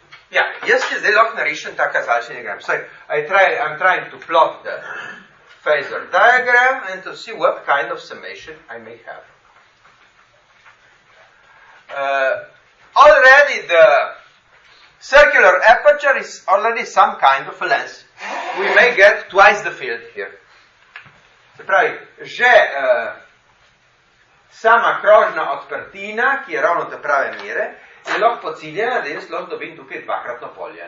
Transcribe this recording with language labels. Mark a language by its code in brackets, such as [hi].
[sl] Ja, jaz se zdaj lahko narišem ta kazalčni diagram. [en] So, I'm trying to plot the phasor diagram and to see what kind of summation I may have. Already the circular aperture is already some kind of a lens. We may get twice the field here. [sl] Se pravi, že sama krožna odprtina, ki je ravno te prave mere, je lahko pociljena, da jaz lahko dobim tukaj dvakratno polje.